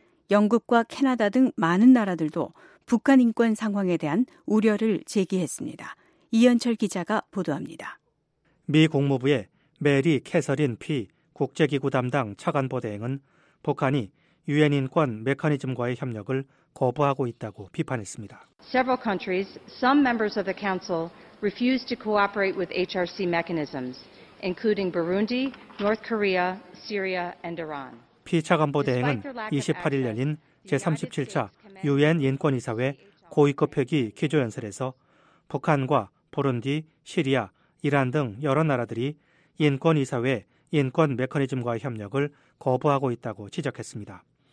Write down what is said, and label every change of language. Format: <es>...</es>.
<ko>영국과 캐나다 등 많은 나라들도 북한 인권 상황에 대한 우려를 제기했습니다. 이현철 기자가 보도합니다. 미 국무부의 메리 캐서린 피 국제기구 담당 차관보대행은 북한이 유엔 인권 메커니즘과의 협력을 거부하고 있다고 비판했습니다.</ko> <en>Several countries, some members of the council refuse to cooperate with HRC mechanisms, including Burundi, North Korea, Syria and Iran.</en> <ko>피 차관보대행은 28일 열린 제37차 유엔 인권이사회 고위급 회기 기조연설에서 북한과 부룬디, 시리아, 이란 등 여러 나라들이 인권이사회 인권 메커니즘과의 협력을 거부하고 있다고 지적했습니다.</ko>